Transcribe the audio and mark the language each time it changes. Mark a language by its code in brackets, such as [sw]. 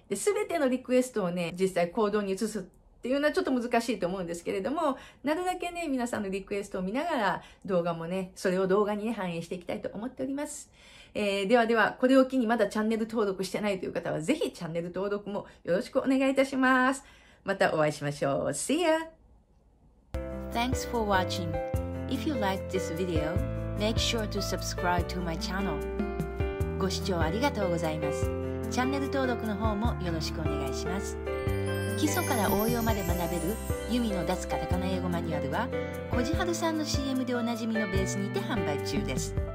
[ja] で、すべてのリクエストをね、実際行動に移すっていうのはちょっと難しいと思うんですけれども、なるだけね、皆さんのリクエストを見ながら動画もね、それを動画に、ね、反映していきたいと思っております。ではでは、これを機にまだチャンネル登録してないという方は、ぜひチャンネル登録もよろしくお願いいたします。またお会いしましょう。 [en] See ya! Thanks for watching. If you like this video, make sure to subscribe to my channel. [ja] ご視聴ありがとうございます。チャンネル登録の方もよろしくお願いします。基礎から応用まで学べる Yumiの脱カタカナ英語マニュアルは、コジハルさんの CM でおなじみのベースにて販売中です。